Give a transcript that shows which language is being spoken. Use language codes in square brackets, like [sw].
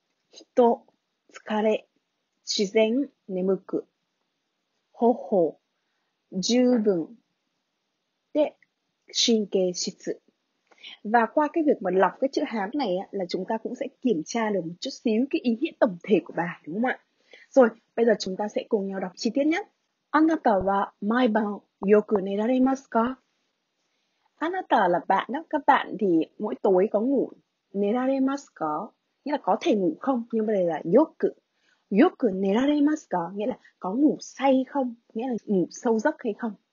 [ja] 人、疲れ、自然、眠く、頬、十分、で、神経質。 [vi] Và qua cái việc mà lọc cái chữ Hán này là chúng ta cũng sẽ kiểm tra được một chút xíu cái ý nghĩa tổng thể của bài, đúng không ạ? Rồi, bây giờ chúng ta sẽ cùng nhau đọc chi tiết nhé. [ja] あなたは毎晩よく寝られますか? [vi] Anata là bạn đó, các bạn thì mỗi tối có ngủ [ja] neraremasu ka? [vi] Nghĩa là có thể ngủ không? Nhưng mà đây là yoku. [ja] Yoku neraremasu ka? [vi] Nghĩa là có ngủ say không? Nghĩa là ngủ sâu giấc hay không?